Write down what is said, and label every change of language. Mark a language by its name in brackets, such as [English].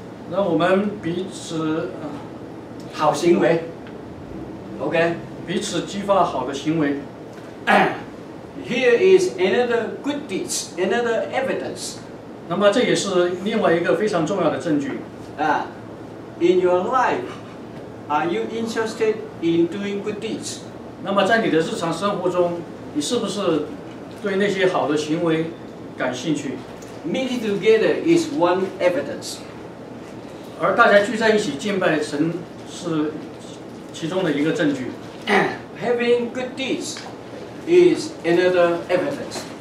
[Chinese] 那我们彼此好行为。OK，彼此激发好的行为。 [English] Here is another good deeds, another evidence. [Chinese] 那么这也是另外一个非常重要的证据。 [English] In your life, are you interested in doing good deeds? [Chinese] 那么在你的日常生活中，你是不是对那些好的行为感兴趣？ [English] Meeting together is one evidence. [Chinese] 而大家聚在一起敬拜神是其中的一个证据。 [English] Having good deeds is another evidence.